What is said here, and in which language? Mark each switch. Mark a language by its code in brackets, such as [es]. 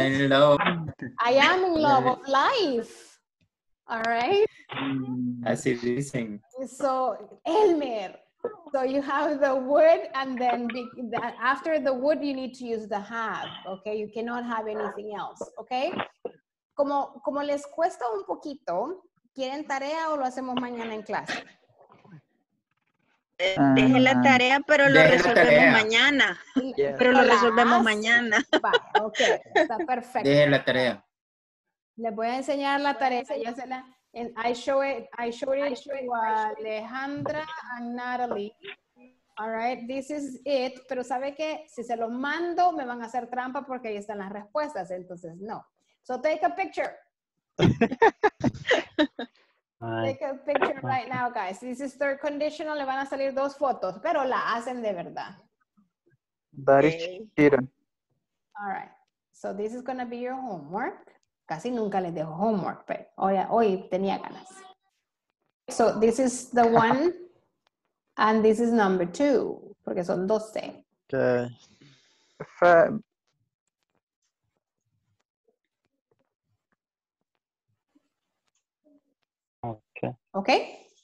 [en] In love. I am in love of life. All right. I see this thing. So Elmer. So you have the would, and then after the would, you need to use the have, okay? You cannot have anything else, okay? [es] Como les cuesta un poquito, ¿quieren tarea o lo hacemos mañana en clase? Deje la tarea, pero lo resolvemos mañana. Yes. Pero lo resolvemos mañana. Vale, okay, está perfecto. Deje la tarea. Les voy a enseñar la tarea, ya se la... [en] And I show it to Alejandra and Natalie. All right, this is it. [es] Pero sabe que si se los mando, me van a hacer trampa porque ahí están las respuestas. Entonces, no. [en] So take a picture. Take a picture right now, guys. This is third conditional. [es] Le van a salir dos fotos, pero la hacen de verdad. [en] That is cheating. All right. So this is going to be your homework. [es] Casi nunca les dejo homework, pero hoy tenía ganas. [en] So this is the one, and this is number two, [es] porque son 12. [en] Okay. Okay.